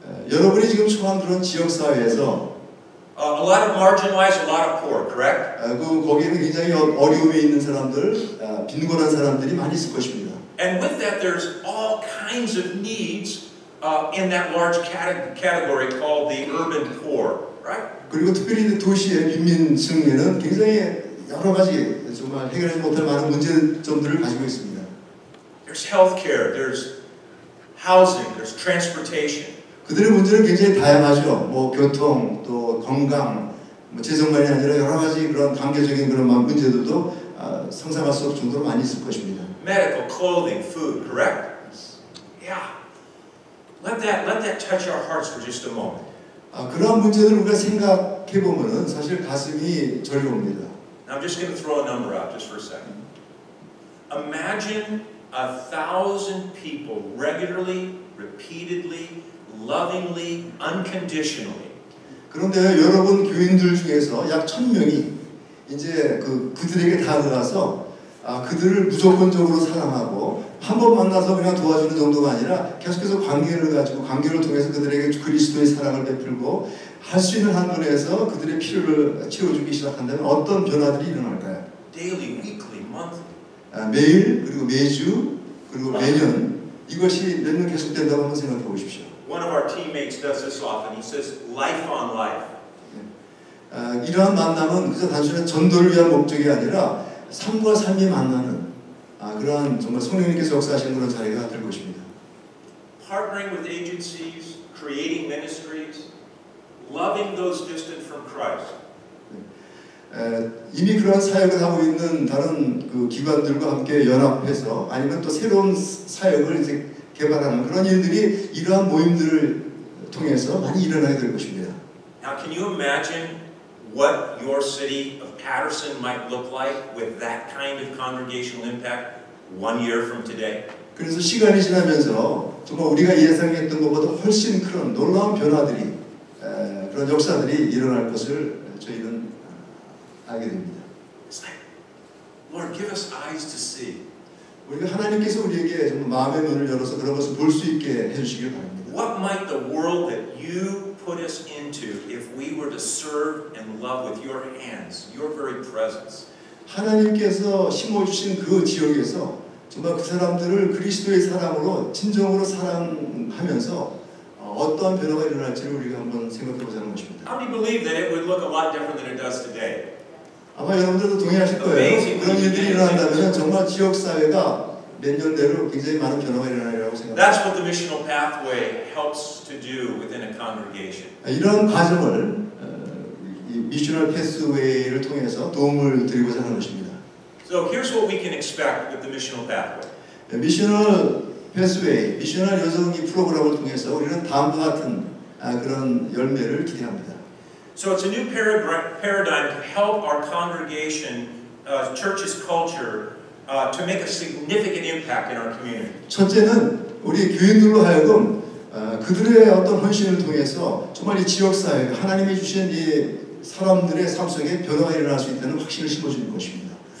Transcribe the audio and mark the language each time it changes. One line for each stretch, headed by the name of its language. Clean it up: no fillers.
Korean: 여러분이 지금 처한 그런 지역 사회에서
English: a lot of marginalized, a lot of poor, correct?
Korean: 거기는 굉장히 어려움에 있는 사람들, 빈곤한 사람들이 많이 있을 것입니다.
English: And with that, there's all kinds of needs in that large category called the urban poor, right?
Korean: 그리고 특별히 도시의 빈민층에는 굉장히 여러 가지 정말 해결하지 못할 많은 문제점들을 가지고 있습니다.
English: There's healthcare, there's housing, there's transportation.
Korean: 그들의 문제는 굉장히 다양하죠. 뭐 교통, 또 건강, 뭐 재정만이 아니라 여러 가지 그런 단계적인 그런 문제들도 상상할 수 없을 정도로 많이 있을 것입니다.
English: Medical, clothing, food, correct? Yeah. Let that touch our hearts for just a moment.
Korean: 그런 문제들을 우리가 생각해 보면은 사실 가슴이 저려옵니다.
English: I'm just going to throw a number out just for a second. Imagine 1,000 people regularly, repeatedly, lovingly, unconditionally.
Korean: 그런데 여러분 교인들 중에서 약 1,000명이 이제 그들에게 다가가서 그들을 무조건적으로 사랑하고 한번 만나서 그냥 도와주는 정도가 아니라 계속해서 관계를 가지고 관계를 통해서 그들에게 그리스도의 사랑을 베풀고 할 수 있는 한도에서 그들의 필요를 채워주기 시작한다면 어떤 변화들이 일어날까요?
English: Daily, weekly, monthly.
Korean: 매일 그리고 매주 그리고 매년 이것이 몇 년 계속된다고 한번 생각해 보십시오.
English: One of our teammates does this often. He says, "Life on life."
Korean: 이러한 만남은 그저 단순한 전도를 위한 목적이 아니라 삶과 삶이 만나는 그러한 정말 성령님께서 역사하시는 그런 자리가 될 것입니다.
English: Partnering with agencies, creating ministries, loving those distant from Christ.
Korean: 이미 그런 사역을 하고 있는 다른 기관들과 함께 연합해서 아니면 또 새로운 사역을 이제 개발하는 그런 일들이 이러한 모임들을 통해서 많이 일어나게 될 것입니다.
English: Now can you imagine what your city of Patterson might look like with that kind of congregational impact one year from today?
Korean: 그래서 시간이 지나면서 정말 우리가 예상했던 것보다 훨씬 그런 놀라운 변화들이 그런 역사들이 일어날 것을 저희는
English: It's like, Lord, give us eyes to see.
Korean: 우리가 하나님께서 우리에게 정말 마음의 눈을 열어서 그런 것을 볼 수 있게 해주시길 바랍니다.
English: What might the world that you put us into if we were to serve and love with your hands, your very presence?
Korean: 하나님께서 심어주신 그 지역에서 정말 그 사람들을 그리스도의 사랑으로 진정으로 사랑하면서 어떠한 변화가 일어날지를 우리가 한번 생각해보자 하는 것입니다.
English: How do you believe that it would look a lot different than it does today?
Korean: 아마 여러분들도 동의하실 거예요. 그런 일들이 일어난다면 정말 지역 사회가 몇 년 내로 굉장히 많은 변화가 일어나리라고 생각합니다.
English: That's what the missional pathway helps to do within a congregation.
Korean: 이런 과정을 미셔널 패스웨이를 통해서 도움을 드리고자 하는 것입니다.
English: So here's what we can expect with the missional pathway.
Korean: 미셔널 패스웨이, 미셔널 여성이 프로그램을 통해서 우리는 다음과 같은 그런 열매를 기대합니다.
English: So it's a new paradigm to help our congregation, church's culture, to make a significant impact in our community.
Korean: 첫째는 우리 교인들로 하여금 그들의 어떤 헌신을 통해서 정말 이 지역 사회, 하나님이 주신 이 사람들의 삶 속에 변화가 일어날 수 있다는 확신을 심어주는 것입니다.